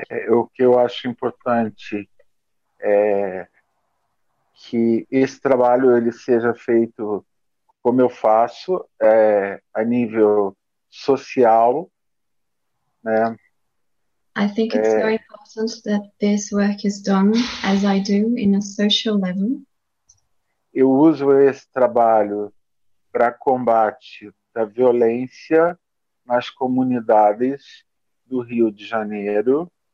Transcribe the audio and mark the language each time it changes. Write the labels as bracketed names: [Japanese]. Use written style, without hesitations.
[Portuguese] O que eu acho importante é que esse trabalho ele seja feito como eu faço, a nível social, né? [English] I think it's very important that this work is done as I do in a social level. [Portuguese] Eu uso esse trabalho para combate da violência nas comunidades do Rio de Janeiro.